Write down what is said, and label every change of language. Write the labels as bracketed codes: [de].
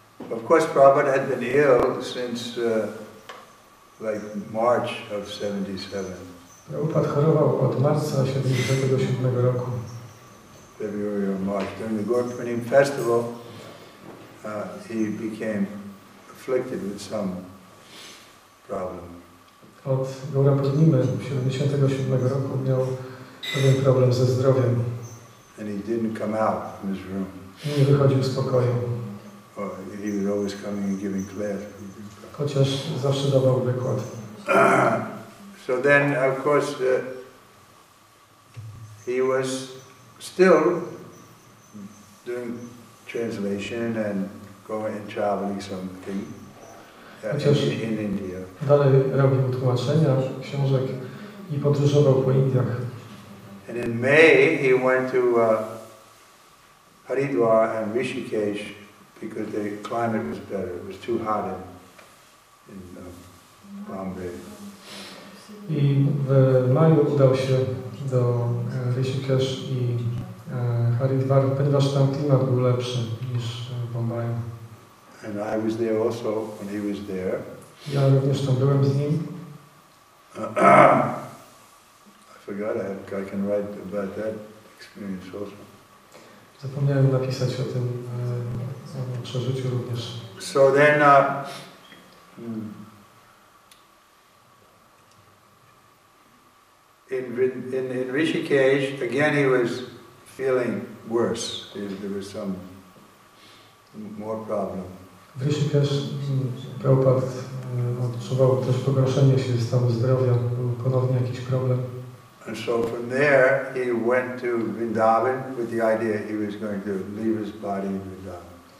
[en] Of course, Prabhupada had been ill since like March of 77. [pl] Prabhupada chorował od marca 77 roku. [en] February or March. During the Gorkhpanim festival, he became afflicted with some problem. [pl] Od Gorkhpanim 77 roku miał pewien problem ze zdrowiem. [en] And he didn't come out from his room. [pl] Nie wychodził z pokoju. [en] He was always coming and giving class. [pl] Chociaż zawsze dawał wykład. [en] So then, of course, he was still doing translation and going and traveling something in India. [pl] Dalej robił tłumaczenia książek i podróżował po Indiach. [en] And in May, he went to Haridwar and Rishikesh because the climate was better. It was too hot in Bombay. [pl] I w maju udał się do Rishikesh i Haridwar, ponieważ tam klimat był lepszy niż w Bombay. [en] And I was there also when he was there. [pl] Ja również tam byłem z nim. [en] I forgot I can write about that experience also. [pl] Zapomniałem napisać o tym przeżyciu również. [en] So then, in Rishikesh, again he was feeling worse. There was some more problem. [pl] W Rishikesh Prabhupad odczuwał też pogorszenie się stanu zdrowia. Był ponownie jakiś problem. [en] And so from there he went to Vrindavan with the idea he was going to leave his body in Vrindavan.